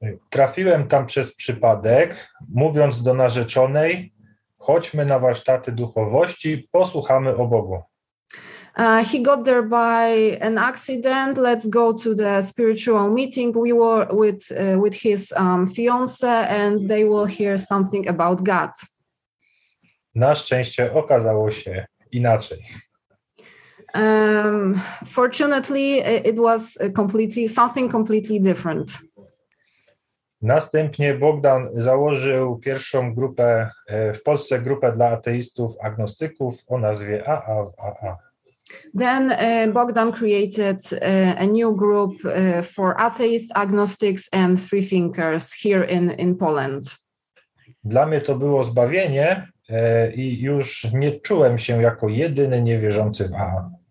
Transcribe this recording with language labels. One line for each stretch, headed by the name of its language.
Polish: Trafiłem tam przez przypadek, mówiąc do narzeczonej, chodźmy na warsztaty duchowości, posłuchamy o Bogu.
English: He got there by an accident. Let's go to the spiritual meeting. We were with his fiance and they will hear something about God.
Polish: Na szczęście okazało się inaczej.
English: Fortunately, it was completely different.
Polish: Następnie Bogdan założył pierwszą grupę w Polsce, grupę dla ateistów, agnostyków o nazwie AA w AA.
English: Then Bogdan created a new group for atheists, agnostics and free thinkers here in Poland.
Polish: Dla mnie to było zbawienie i już nie czułem się jako jedyny niewierzący w AA.